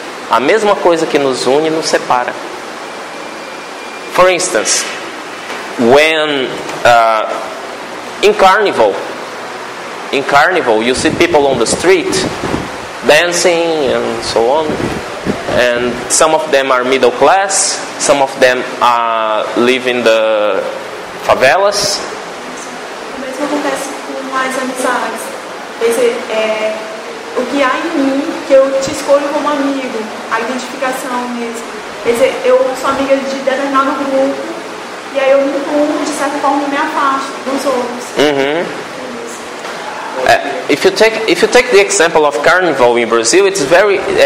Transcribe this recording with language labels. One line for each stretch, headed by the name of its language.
Portuguese: A mesma coisa que nos une, nos separa.
English: For instance, when in carnival, you see people on the street dancing and so on, and some of them are middle class, some of them live in the favelas.
Portuguese: O mesmo acontece com as amizades. O que há em mim, que eu te escolho como amigo, a identificação mesmo. Quer dizer, eu sou amiga de determinado grupo, e aí eu me incluo, de certa forma, me afasto dos outros. Uhum.
English: If you take the example of carnival in Brazil, it's very